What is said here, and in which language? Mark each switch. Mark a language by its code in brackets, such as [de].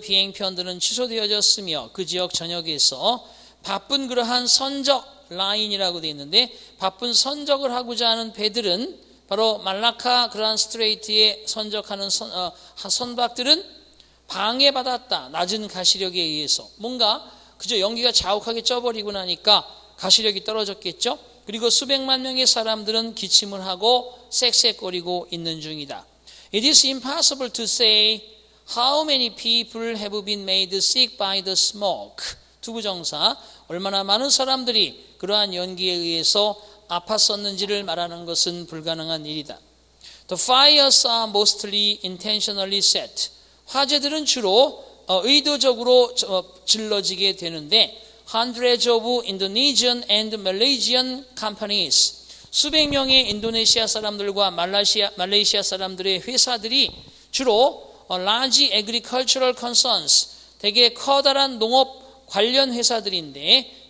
[ko] 비행편들은 취소되어졌으며 그 지역 전역에서 바쁜 그러한 선적 라인이라고 되어 있는데 바쁜 선적을 하고자 하는 배들은 바로 말라카 그란 스트레이트에 선적하는 선박들은 방해받았다. 낮은 가시력에 의해서. 뭔가 그저 연기가 자욱하게 쪄버리고 나니까 가시력이 떨어졌겠죠. 그리고 수백만 명의 사람들은 기침을 하고 쌕쌕거리고 있는 중이다. [en] It is impossible to say how many people have been made sick by the smoke. [ko] 투부정사. 얼마나 많은 사람들이 그러한 연기에 의해서 아팠었는지를 말하는 것은 불가능한 일이다. [en] The fires are mostly intentionally set. [ko] 화재들은 주로 의도적으로 질러지게 되는데 [en] hundreds of Indonesian and Malaysian companies [ko] 수백 명의 인도네시아 사람들과 말레이시아 사람들의 회사들이 주로 [en] large agricultural concerns [ko] 되게 커다란 농업 관련 회사들인데